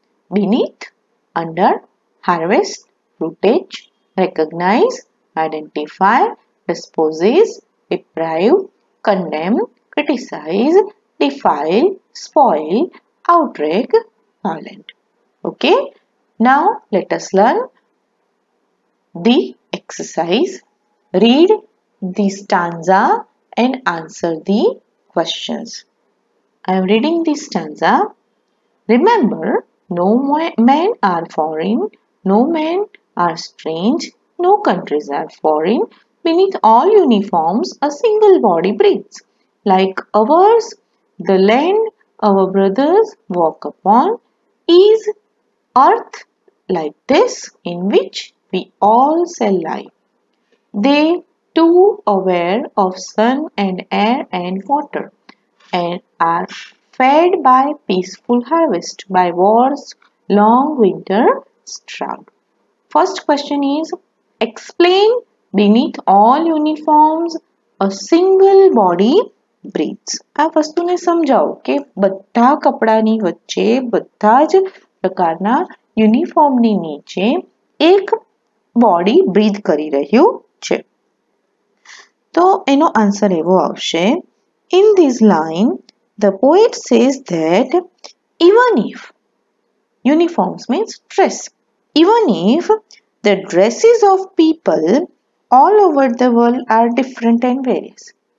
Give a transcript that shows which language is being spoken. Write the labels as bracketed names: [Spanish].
[English] Beneath under harvest fruitage recognise identify disposes deprive condemn criticise defile spoil outrage violent. Okay, now let us learn the exercise. Read the stanza and answer the questions. I am reading the stanza. Remember, no men are foreign, no men are strange, no countries are foreign, beneath all uniforms a single body breathes, like ours the land our brothers walk upon, is earth like this in which we all shall lie, they too aware of sun and air and water and are fed by peaceful harvest, by war's long winter Stroud. First question is, explain beneath all uniforms a single body breathes. [Gujarati] આ વસ્તુને સમજાવો કે બધા કપડાની વચ્ચે બધા જ પ્રકારના યુનિફોર્મની નીચે એક બોડી બ્રીથ કરી રહ્યું છે. તો એનો આન્સર એવો આવશે, [English] In this line the poet says that even if uniforms means dress, even if the dresses of people all over the world are different and various.